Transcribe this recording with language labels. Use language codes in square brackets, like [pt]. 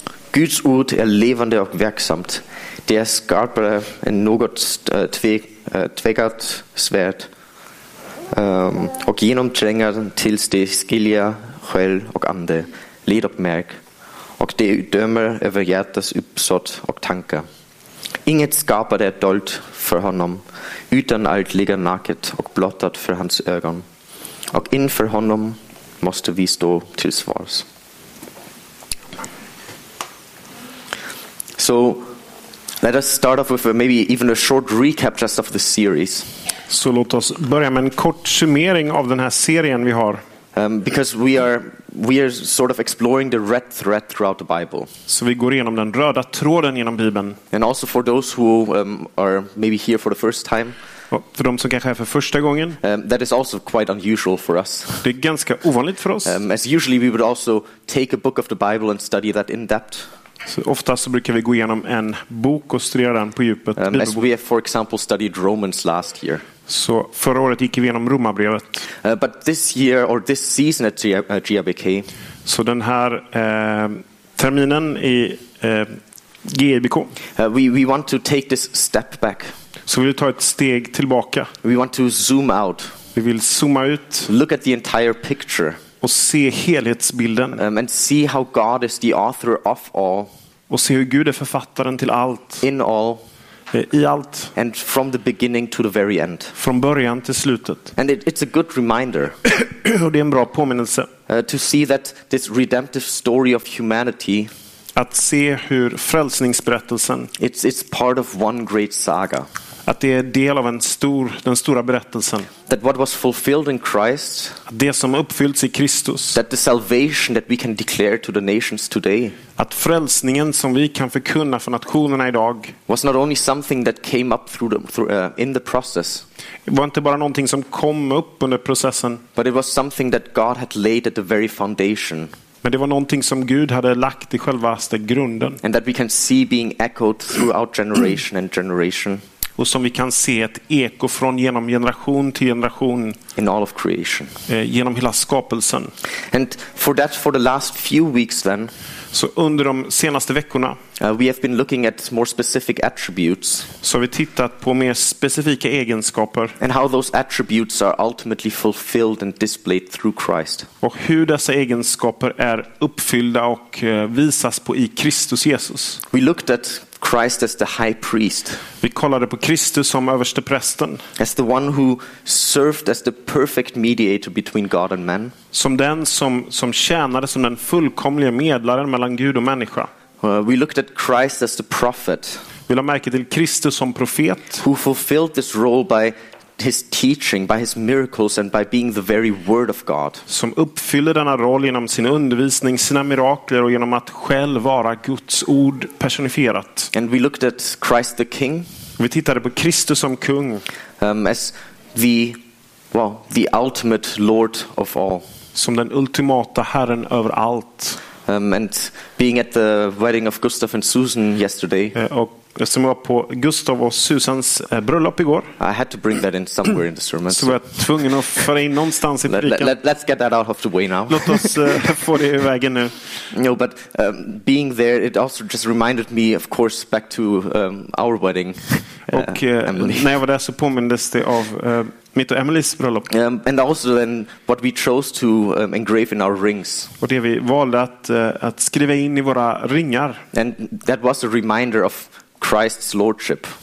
[sv] Guds ord är levande och verksamt. Det är skarpare än något tvegat svärd och genomtränger tills det skiljer själ och ande, led och märk, och det dömer över hjärtas uppsåt och tankar. Inget skapat är dolt för honom, utan allt ligger naket och blottat för hans ögon. Och inför honom måste vi stå till svars. [en] So, let us start off with maybe even a short recap just of the series. [sv] Så låt oss börja med en kort summering av den här serien vi har. [en] Because we are sort of exploring the red thread throughout the Bible. [sv] Så vi går igenom den röda tråden genom Bibeln. [en] And also for those who are maybe here for the first time. [sv] För de som kanske är för första gången. [en] That is also quite unusual for us. [sv] Det är ganska ovanligt för oss. [en] As usually we would also take a book of the Bible and study that in depth. [sv] Så ofta så brukar vi gå igenom en bok och studera den på djupet. [en] As we have, for example, studied Romans last year. [sv] Så förra året gick vi igenom Romarbrevet. [en] But this year or this season at GIBK. [sv] Så den här terminen i GIBK. [en] We want to take this step back. [sv] Så vi tar ett steg tillbaka. [en] We want to zoom out. [sv] Vi vill zooma ut. [en] Look at the entire picture. [sv] Och se helhetsbilden. [en] And see how God is the author of all. [sv] Och se hur Gud är författaren till allt. [en] In all. [sv] I allt. [en] And from the beginning to the very end. [sv] Från början till slutet. [en] And it's a good reminder. [sv] Och det är en bra påminnelse. [en] To see that this redemptive story of humanity. [sv] Att se hur frälsningsberättelsen. [en] It's part of one great saga. [sv] Att det är del av en stor, den stora berättelsen. [en] That what was fulfilled in Christ. [sv] Det som uppfyllts i Kristus. [en] That the salvation that we can declare to the nations today. [sv] Att frälsningen som vi kan förkunna för nationerna idag. [en] Was not only something that came up through the, in the process. [sv] Var inte bara någonting som kom upp under processen. [en] But it was something that God had laid at the very foundation. [sv] Men det var någonting som Gud hade lagt i självaste grunden. [en] And that we can see being echoed throughout generation and generation. [sv] Och som vi kan se ett eko från genom generation till generation. [en] In all of creation. [sv] Genom hela skapelsen. [en] And for that, for the last few weeks then. [sv] Så under de senaste veckorna. [en] We have been looking at more specific attributes. [sv] Så har vi tittat på mer specifika egenskaper. [en] And how those attributes are ultimately fulfilled and displayed through Christ. [sv] Och hur dessa egenskaper är uppfyllda och visas på i Kristus Jesus. [en] We looked at Christ as the high priest. [sv] Vi kollade på Kristus som överste prästen. [en] As the one who served as the perfect mediator between God and man. [sv] Som den som tjänade som den fullkomliga medlaren mellan Gud och människa. [en] We looked at Christ as the prophet. [sv] Vi la märke till Kristus som profet. [en] Who fulfilled this role by his teaching, by his miracles and by being the very word of God. [sv] Som uppfyller denna roll genom sin undervisning, sina mirakler och genom att själv vara Guds ord personifierat. [en] And we looked at Christ the king. [sv] Vi tittade på Kristus som kung. [en] As the, well, the ultimate lord of all. [sv] Som den ultimata herren över allt. [en] And being at the wedding of Gustav and Susan yesterday. [sv] Och som var på Gustav och Susans bröllop igår. [en] I had to bring that in somewhere in the sermon. [sv] Så jag tvungen att föra in någonstans i predikan. [en] Let's get that out of the way now. [sv] Låt oss få det ur vägen nu. [en] No, but being there, it also just reminded me, of course, back to our wedding. [sv] Och när jag var där så påmindes det av mitt och Emilys bröllop. [en] And also then what we chose to engrave in our rings. [sv] Och det vi valde att skriva in i våra ringar. [en] And that was a reminder of Christ's lordship.